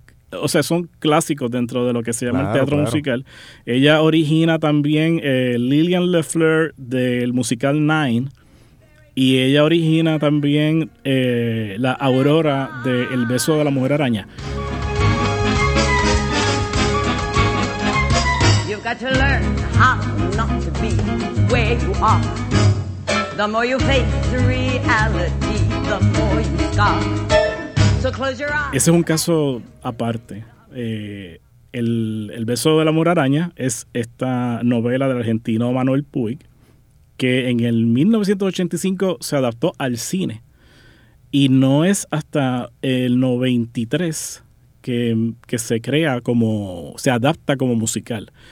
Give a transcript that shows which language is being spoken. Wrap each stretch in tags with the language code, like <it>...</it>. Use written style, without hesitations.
<es>O sea, son clásicos dentro de lo que se llama, claro, el teatro, claro, musical. Ella origina también Lillian Loeffler del musical Nine. Y ella origina también la Aurora de El Beso de la Mujer Araña.</es> <en>You've got to learn how not to be where you are. The more you face reality, the more you scar.</en> <es>Ese es un caso aparte. El Beso de la Mujer Araña es esta novela del argentino Manuel Puig, que en el 1985 se adaptó al cine. Y no es hasta el 93 que se crea como, se adapta como musical.</es>